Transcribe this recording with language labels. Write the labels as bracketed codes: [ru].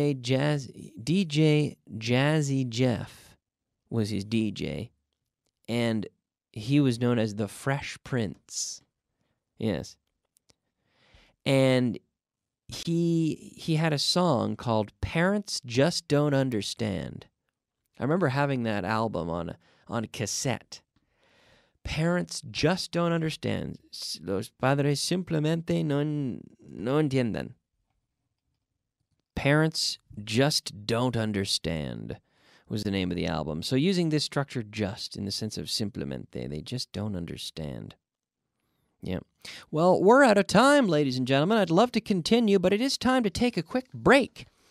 [en] DJ Jazzy Jeff was his DJ, and he was known as the Fresh Prince. Yes. And he had a song called Parents Just Don't Understand. I remember having that album on a cassette. Parents Just Don't Understand. [es] Los padres simplemente no entienden. [en] Parents Just Don't Understand was the name of the album. So using this structure, just, in the sense of simplemente, they just don't understand. Yeah. Well, we're out of time, ladies and gentlemen. I'd love to continue, but it is time to take a quick break.